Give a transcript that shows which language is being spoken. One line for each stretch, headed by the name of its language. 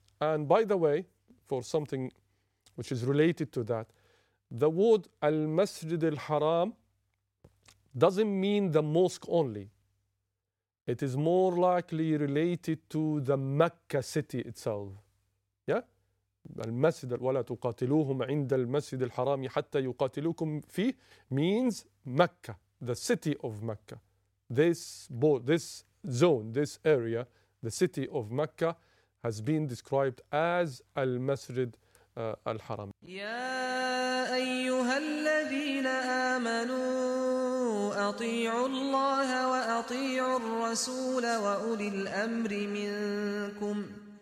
English: And by the way, for something which is related to that, the word Al-Masjid Al-Haram doesn't mean the mosque only. It is more likely related to the Mecca city itself. Yeah?
Arabic: المسجد ولا تقاتلوهم عند المسجد الحرام حتى يقاتلوكم فيه
English: means Mecca, the city of Mecca. This zone, this area, the city of Mecca has been described as
Arabic: المسجد الحرام. يا أيها الذين آمنوا أطيعوا الله وأطيعوا الرسول وأولي الأمر منكم